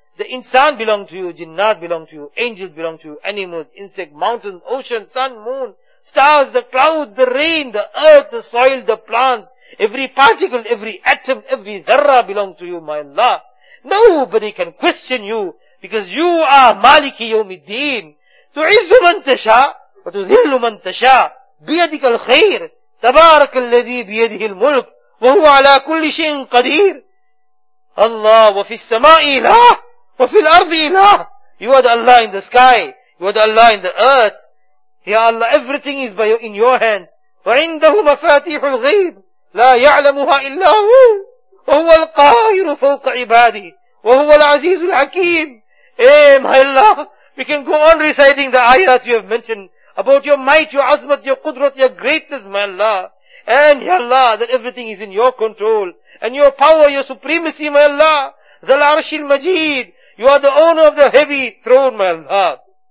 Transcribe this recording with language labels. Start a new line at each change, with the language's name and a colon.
English: The insan belongs to you, jinnat belongs to you, angels belong to you, animals, insects, mountains, oceans, sun, moon, stars, the clouds, the rain, the earth, the soil, the plants, every particle, every atom, every dharra belongs to you, my Allah. Nobody can question you, because you are Maliki Yawmiddin.
Arabic: Tu'izzu man tasha, wa tuzillu man tasha, biyadika al-khair. تبارك الذي بيده الملك وهو على كل شيء قدير الله وفي السماء إله وفي الأرض إله.
English: You are the Allah in the sky, you are the Allah in the earth. Ya Allah, everything is by in your hands.
Arabic: وعنده مفاتيح الغيب لا يعلمها إلا هو وهو القاهر فوق عباده وهو العزيز الحكيم.
English: Eh, my Allah, we can go on reciting the ayat you have mentioned about your might, your azmat, your qudrat, your greatness, my Allah. And Ya Allah, that everything is in your control. And your power, your supremacy, my Allah.
Arabic: Zal arshil majid.
English: You are the owner of the heavy throne, my Allah.